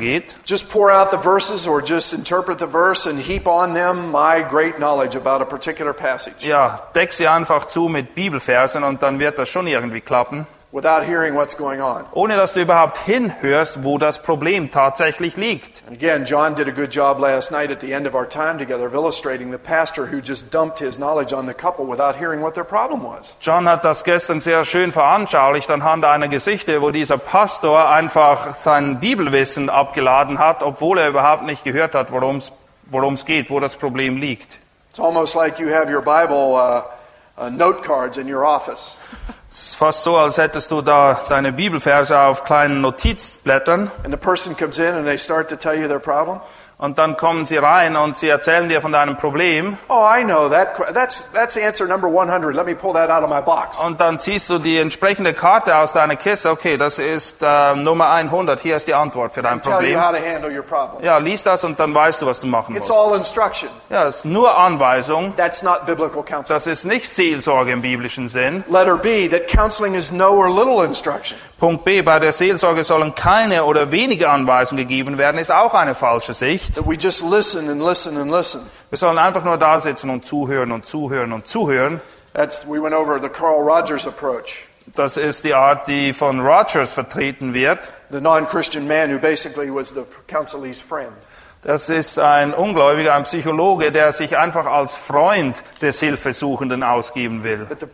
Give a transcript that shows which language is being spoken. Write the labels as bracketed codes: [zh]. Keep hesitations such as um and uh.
[de] geht. Ja, deck sie einfach zu mit Bibelversen und dann wird das schon irgendwie klappen. [en] without hearing what's going on. [de] Ohne dass du überhaupt hinhörst, wo das Problem tatsächlich liegt. [en] And again, John did a good job last night at the end of our time together of illustrating the pastor who just dumped his knowledge on the couple without hearing what their problem was. [de] John hat das gestern sehr schön veranschaulicht anhand einer Geschichte, wo dieser Pastor einfach sein Bibelwissen abgeladen hat, obwohl er überhaupt nicht gehört hat, worum es worum es geht, wo das Problem liegt. [en] It's almost like you have your Bible uh, uh, note cards in your office. It's fast [de] so, als hättest du da deine Bibelverse auf kleinen Notizblättern. [en] And the person comes in and they start to tell you their problem. [de] Und dann kommen sie rein und sie erzählen dir von deinem Problem. [en] Oh, I know that. That's that's answer number 100. Let me pull that out of my box. [de] Und dann ziehst du die entsprechende Karte aus deiner Kiste. Okay, das ist uh, Nummer 100. Hier ist die Antwort für dein tell Problem. [en] Tell you how to handle your problem. [de] Ja, lies das und dann weißt du, was du machen It's musst. [en] It's all instruction. [de] Ja, es ist nur Anweisung. [en] That's not biblical counseling. [de] Das ist nicht Seelsorge im biblischen Sinn. [en] Letter B, that counseling is no or little instruction. [de] Punkt B, bei der Seelsorge sollen keine oder wenige Anweisungen gegeben werden, ist auch eine falsche Sicht. Wir sollen einfach nur da sitzen und zuhören und zuhören und zuhören. Das ist die Art, die von Rogers vertreten wird. [en] The non-Christian man who basically was the counselee's friend. [de] Das ist ein Ungläubiger, ein Psychologe, der sich einfach als Freund des Hilfesuchenden ausgeben will.